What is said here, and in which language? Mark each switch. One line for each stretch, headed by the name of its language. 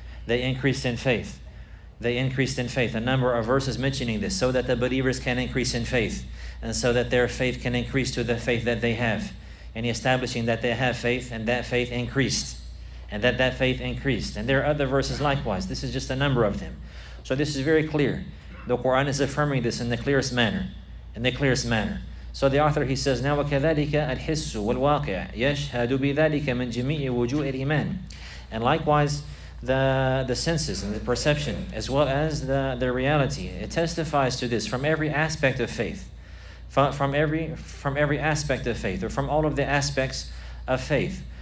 English: They increased in faith. They increased in faith. A number of verses mentioning this, so that the believers can increase in faith, and so that their faith can increase to the faith that they have. And establishing that they have faith, and that faith increased. And that faith increased. And there are other verses likewise. This is just a number of them. So this is very clear. The Quran is affirming this in the clearest manner. In the clearest manner. So the author, he says, Now
Arabic: وَكَذَلِكَ الْحِسُّ وَالْوَاقِعَ يَشْهَدُ بِذَلِكَ مِنْ جِمِيعِ وُجُوءِ الْإِيمَانِ.
English: And likewise, the senses and the perception, as well as the reality, it testifies to this from every aspect of faith. From every aspect of faith, or from all of the aspects of faith.